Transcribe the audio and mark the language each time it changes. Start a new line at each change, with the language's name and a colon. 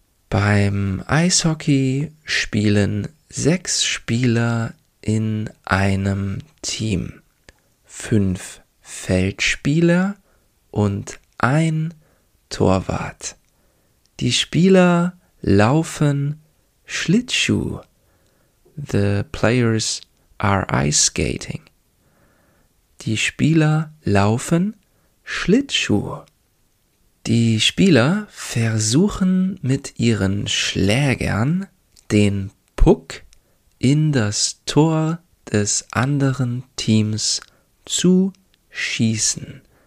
German: Beim Eishockey spielen 6 Spieler in einem Team. 5 Feldspieler und ein Torwart. Die Spieler laufen Schlittschuh.
English: The players are ice skating.
German: Die Spieler laufen Schlittschuh. Die Spieler versuchen mit ihren Schlägern den Puck in das Tor des anderen Teams zu schießen.